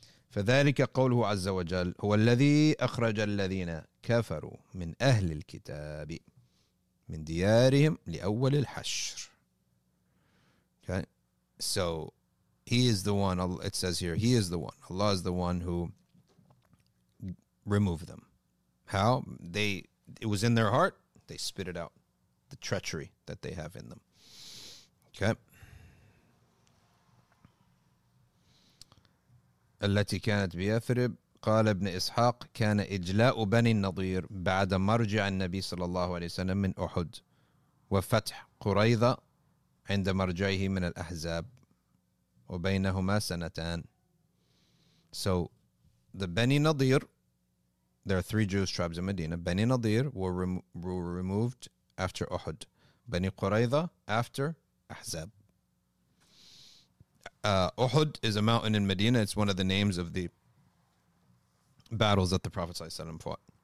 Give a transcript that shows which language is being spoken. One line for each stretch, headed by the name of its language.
Arabic: فذلك قوله عز وجل هو الذي أخرج الذين كفروا من أهل الكتاب من ديارهم لأول الحشر.
English: Okay, so he is the one. It says here, he is the one. Allah is the one who removed them. How? It was in their heart. They spit it out. The treachery that they have in them. Okay.
Arabic: التي كانت بيثرب قال ابن إسحاق كان إجلاء بني النضير بعد مرجع النبي صلى الله عليه وسلم من أحد وفتح قريظة عند مرجعه من الأحزاب وبينهما سنتان.
English: So the Bani Nadir, there are three Jewish tribes in Medina. Bani Nadir were removed after Uhud. Bani قريظة after Ahzab. Uhud is a mountain in Medina. It's one of the names of the battles that the Prophet ﷺ fought.